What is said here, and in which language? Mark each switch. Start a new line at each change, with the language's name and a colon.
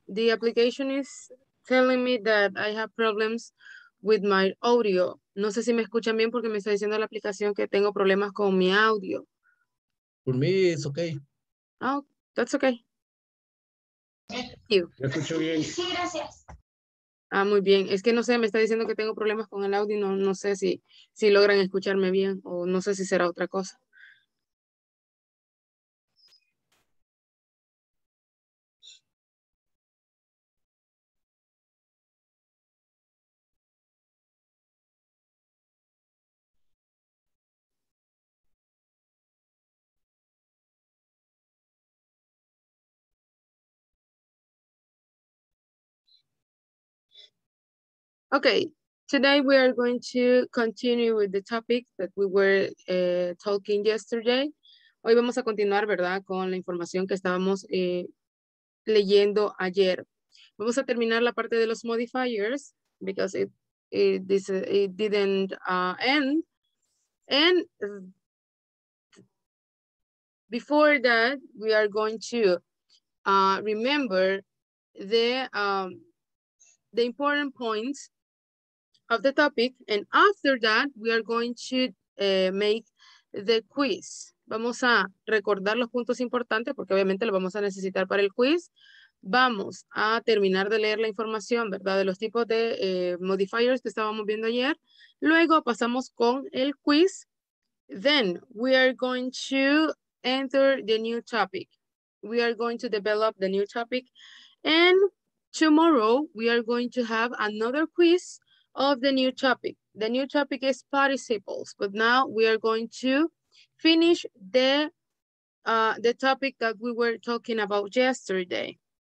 English: The application is telling me that I have problems with my audio.
Spanish: No sé si me escuchan bien porque me está diciendo la aplicación que tengo problemas con mi audio.
English: For me, it's okay. Oh, that's okay. Thank you.
Spanish: Me escucho bien. Sí, gracias. Ah, muy bien. Es que no sé, me está diciendo que tengo problemas con el audio. No, no sé si logran escucharme bien o no sé si será otra cosa.
English: Okay, today we are going to continue with the topic that we were talking yesterday.
Spanish: Hoy vamos a continuar, ¿verdad?, con la información que estábamos leyendo ayer. Vamos a terminar la parte de los modifiers
English: because it didn't end. And before that, we are going to remember the important points of the topic, and after that, we are going to make the quiz.
Spanish: Vamos a recordar los puntos importantes, porque obviamente lo vamos a necesitar para el quiz. Vamos a terminar de leer la información, ¿verdad?, de los tipos de modifiers que estábamos viendo ayer. Luego pasamos con el quiz.
English: Then we are going to enter the new topic. We are going to develop the new topic. And tomorrow, we are going to have another quiz of the new topic. The new topic is participles, but now we are going to finish the topic that we were talking about yesterday.